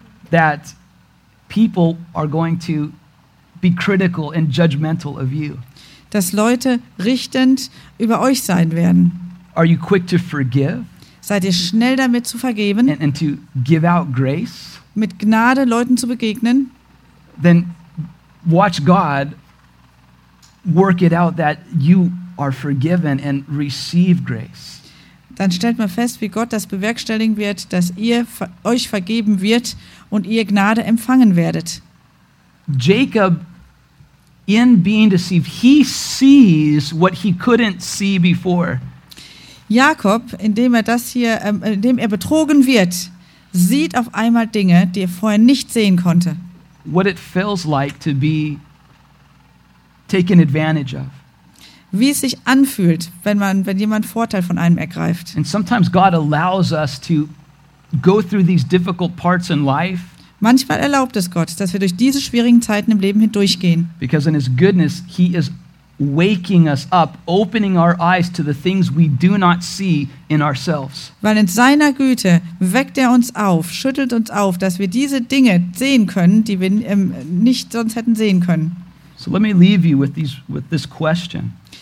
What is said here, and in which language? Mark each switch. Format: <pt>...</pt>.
<en>that people are going to be critical and judgmental of you.</en> <de>Dass Leute richtend über euch sein werden.</de> <en>Are you quick to forgive?</en> <de>Seid ihr schnell damit zu vergeben?</de> <en>And to give out grace?</en> <de>Mit Gnade Leuten zu begegnen?</de> <en>Then watch God work it out that you are forgiven and receive grace.</en> <de>Dann stellt man fest, wie Gott das bewerkstelligen wird, dass ihr euch vergeben wird und ihr Gnade empfangen werdet.</de> <en>Jacob, in being deceived, he sees what he couldn't see before.</en> <de>Jakob, indem er das hier, indem er betrogen wird, sieht auf einmal Dinge, die er vorher nicht sehen konnte.</de> <en>What it feels like to be taken advantage of.</en> <de>Wie es sich anfühlt, wenn jemand Vorteil von einem ergreift.</de> <en>And sometimes God allows us to go through these difficult parts in life.</en> <de>Manchmal erlaubt es Gott, dass wir durch diese schwierigen Zeiten im Leben hindurchgehen.</de> <en>Because in his goodness he is waking us up, opening our eyes to the things we do not see in ourselves.</en> <de>Weil in seiner Güte weckt er uns auf, schüttelt uns auf, dass wir diese Dinge sehen können, die wir nicht sonst hätten sehen können.</de> <en>So let me leave you with this question.</en>